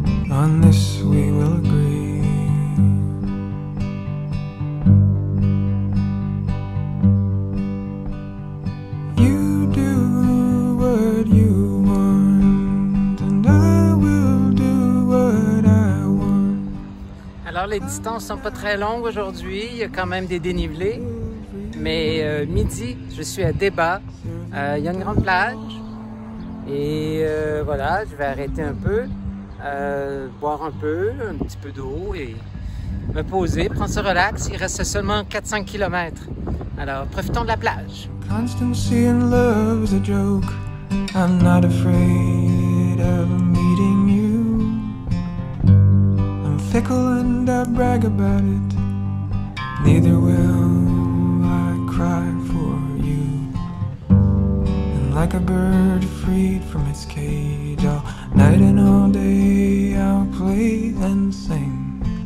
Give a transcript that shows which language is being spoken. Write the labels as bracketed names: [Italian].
[English] On this we will agree. You do what you want, and I will do what I want. [French] Alors les distances sont pas très longues aujourd'hui, il y a quand même des dénivelés. Mais midi, je suis à Deba. Il y a une grande plage. Et voilà, je vais arrêter un peu, boire un petit peu d'eau et me poser, prendre ce relax. Il reste seulement 4-5 km. Alors, profitons de la plage. [English] Constancy in love is a joke. I'm not afraid of meeting you. I'm fickle and I brag about it. Neither will. Cry for you, and like a bird freed from its cage, all night and all day I'll play and sing.